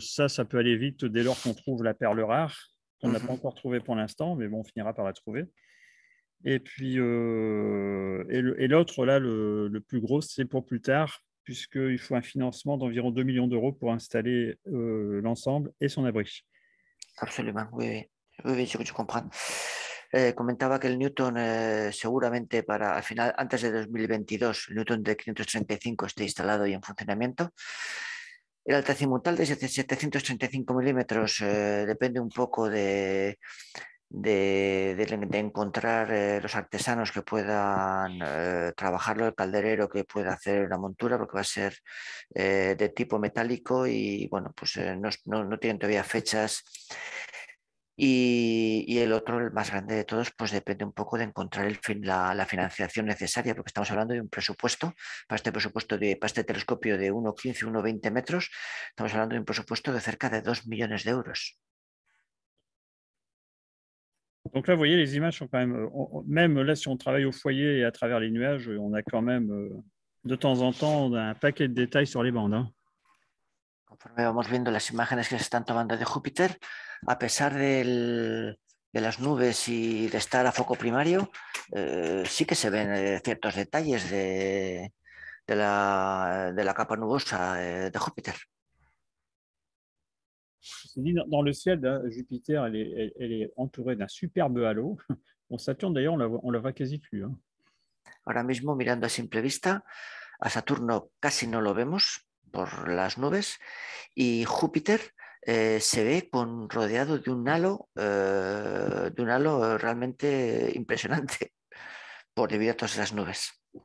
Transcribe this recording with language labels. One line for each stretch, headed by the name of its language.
French: Ça peut aller vite dès lors qu'on trouve la perle rare. On n'a pas encore trouvé pour l'instant, mais bon, on finira par la trouver. Et puis, l'autre, là, le plus gros, c'est pour plus tard, puisqu'il faut un financement d'environ 2 millions d'euros pour installer l'ensemble et son abri. Absolument, oui, oui, oui, je comprends.
Spanish: Comentaba que el Newton seguramente para al final, antes de 2022, el Newton de 535 esté instalado y en funcionamiento. El altazimutal de 735 milímetros depende un poco de encontrar los artesanos que puedan trabajarlo, el calderero que pueda hacer la montura, porque va a ser de tipo metálico y bueno, pues no tienen todavía fechas. Y el otro, el más grande de todos, pues depende un poco de encontrar la financiación necesaria, porque estamos hablando de un presupuesto, para este telescopio de 1,15, 1,20 metros, estamos hablando de un presupuesto de cerca de 2 millones de euros.
French: Donc là, vous voyez, les images sont quand même, même là, si on travaille au foyer et à travers les nuages, on a quand même, de temps en temps, un paquet de détails sur les bandes, hein.
Spanish: Conforme vamos viendo las imágenes que se están tomando de Júpiter, a pesar de las nubes y de estar a foco primario, sí que se ven ciertos detalles de la capa nubosa de Júpiter.
French: Dans le ciel, là, Júpiter elle est entourée d'un superbe halo. Bon, Saturne, d'ailleurs, on la voit quasi plus. Hein.
Spanish: Ahora mismo, mirando a simple vista, a Saturno casi no lo vemos. Por las nubes y Júpiter se ve rodeado de un halo realmente impresionante por debido a todas esas nubes.